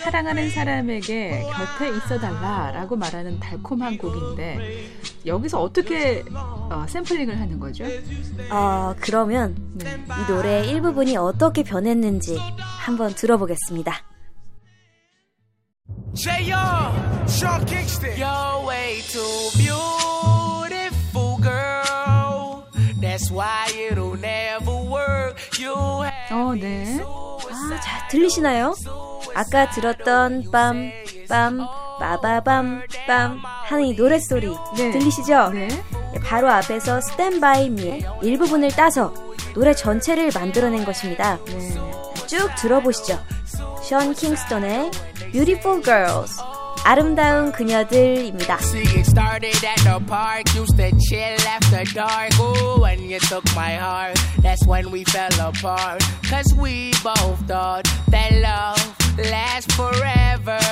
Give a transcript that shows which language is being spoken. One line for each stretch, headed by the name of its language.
Korean: 사랑하는 사람에게 곁에 있어달라라고 말하는 달콤한 곡인데 여기서 어떻게 샘플링을 하는 거죠? 그러면 네. 이 노래의 일부분이 어떻게 변했는지 한번 들어보겠습니다.
English: J.R. Sean Kingston. You're way too beautiful, girl. That's why it'll never work. You have 네.
Korean: 자, 들리시나요? 아까 들었던 빰, 빰, 빠바밤, 빰 하는 이 노랫소리 네. 들리시죠? 네. 바로 앞에서 Stand By Me 일부분을 따서 노래 전체를 만들어낸 것입니다. 네. 쭉 들어보시죠. Sean Kingston의 Beautiful Girls, 아름다운 그녀들입니다.
English: See it started at the park, used to chill after dark. Oh, when you took my heart, that's when we fell apart. Cause we both thought that love lasts forever.